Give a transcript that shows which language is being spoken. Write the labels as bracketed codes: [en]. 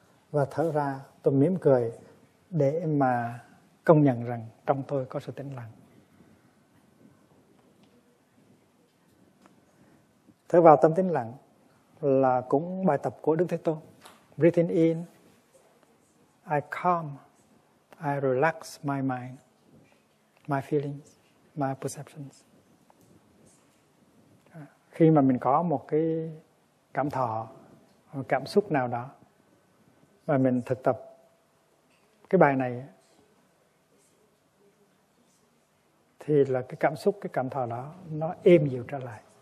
[vi] Và thở ra, tôi mỉm cười để mà công nhận rằng trong tôi có sự tĩnh lặng. Thở vào tâm tĩnh lặng là cũng bài tập của Đức Thế Tôn. [en] Breathing in, I calm, I relax my mind, my feelings, my perceptions. [vi] Khi mà mình có một cái cảm thọ, cảm xúc nào đó, mà mình thực tập cái bài này thì là cái cảm xúc, cái cảm thọ đó nó êm dịu trở lại.